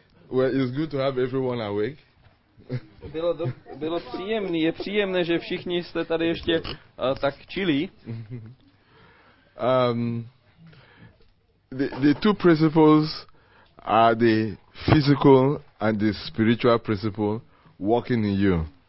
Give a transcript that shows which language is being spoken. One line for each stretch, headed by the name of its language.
English: Well, it's good to have everyone awake.
Czech: Bylo příjemné, je příjemné, že všichni jste tady ještě tak chillí.
English: The two principles are the physical and the spiritual principle working in you.